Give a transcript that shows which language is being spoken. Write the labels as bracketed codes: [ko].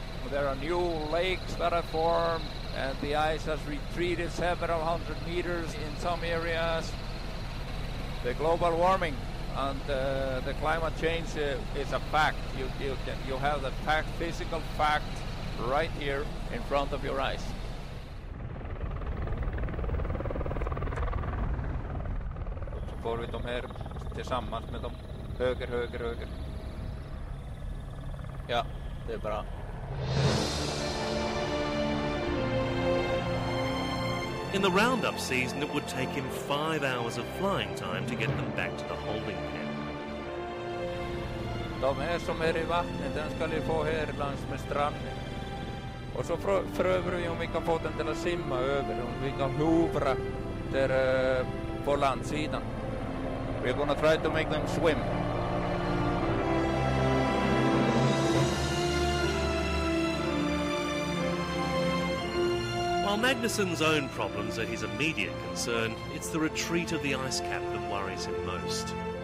[en] There are new lakes that are formed, and the ice has retreated several hundred meters in some areas. The global warming and the climate change is a fact. You have the fact, physical fact, right here in front of your eyes. [sv] Så får vi dem här tillsammans med dem höger, höger, höger. Ja, det är bra. [en] In the roundup season, it would take him 5 hours of flying time to get them back to the holding pen. [sv] De som är i vattnet, den ska ni få här längs med stranden. Och så prövar vi om vi kan få den till att simma över, om vi kan hovra där på landsidan. [en] We're gonna try to make them swim. While Magnusson's own problems are his immediate concern, it's the retreat of the ice cap that worries him most.